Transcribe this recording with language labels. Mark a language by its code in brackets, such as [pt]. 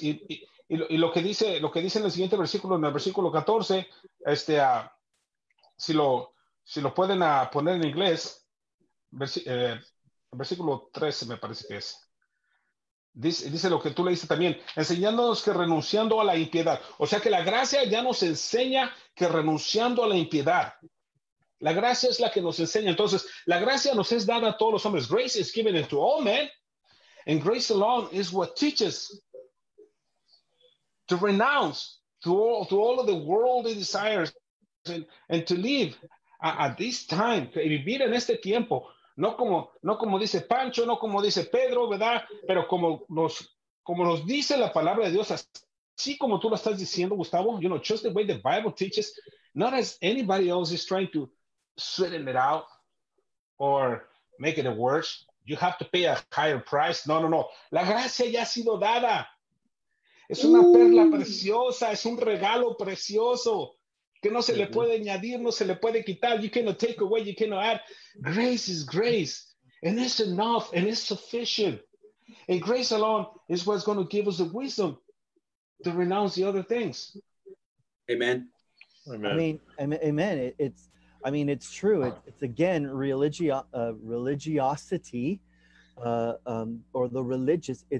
[es] Y lo que dice en el siguiente versículo, en el versículo 14, si lo pueden poner en inglés, versículo 13 me parece que es. Dice lo que tú le dices también, enseñándonos que renunciando a la impiedad. O sea que la gracia ya nos enseña que renunciando a la impiedad. La gracia es la que nos enseña. Entonces, la gracia nos es dada a todos los hombres. [en] Grace is given to all men. And grace alone is what teaches to renounce to all of the worldly desires and to live at this time. [es] Y vivir en este tiempo. No como dice Pancho, no como dice Pedro, ¿verdad? Pero como nos dice la palabra de Dios, así como tú lo estás diciendo, [en] Gustavo, you know, just the way the Bible teaches, not as anybody else is trying to sweeten it out or make it worse. You have to pay a higher price. [es] No, no, no. La gracia ya ha sido dada. Es una perla preciosa, es un regalo precioso. Que no se le puede añadir, no se le puede quitar. [en] You cannot take away, you cannot add. Grace is grace, and it's enough, and it's sufficient. And grace alone is what's going to give us the wisdom to renounce the other things. Amen. Amen. I mean, amen. It's true. It's again religiosity, or the religious.